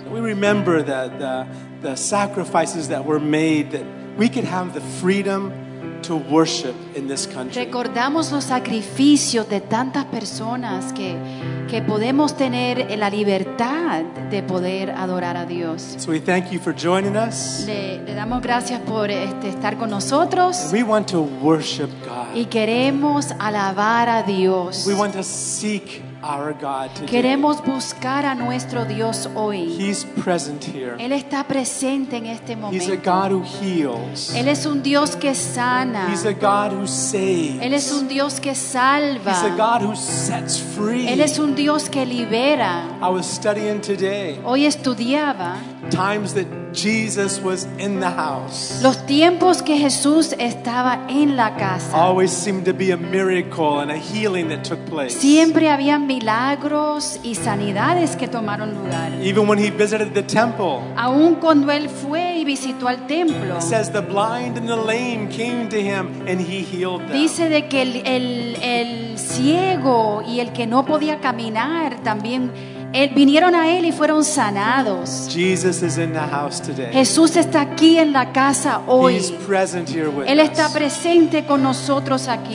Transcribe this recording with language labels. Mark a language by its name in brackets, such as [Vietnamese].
[English] We remember that the sacrifices that were made that we could have the freedom to worship in this country. [Spanish] Recordamos los sacrificios de tantas personas que podemos tener la libertad de poder adorar a Dios. [English] So we thank you for joining us. [Spanish] Le damos gracias por estar con nosotros. [English] And we want to worship God. [Spanish] Y queremos alabar a Dios. [English] We want to seek our God today. [Spanish] Queremos buscar a nuestro Dios hoy. [English] He's present here. [Spanish] Él está presente en este momento. [English] He's a God who heals. [Spanish] Él es un Dios que sana. [English] He's a God who saves. [Spanish] Él es un Dios que salva. [English] He's a God who sets free. [Spanish] Él es un Dios que libera. [English] I was studying today. [Spanish] Hoy estudiaba. [English] Times that Jesus was in the house. [Spanish] Los tiempos que Jesús estaba en la casa. [English] Always seemed to be a miracle and a healing that took place. [Spanish] Siempre había milagros y sanidades que tomaron lugar. [English] Even when he visited the temple. [Spanish] Aun cuando él fue y visitó al templo. [English] It says the blind and the lame came to him and he healed them. [Spanish] Dice de que el ciego y el que no podía caminar también vinieron a él y fueron sanados. [English] Jesus is in the house today. [Spanish] Jesús está aquí en la casa hoy. [English] He's present here with [Spanish] él está presente con nosotros aquí.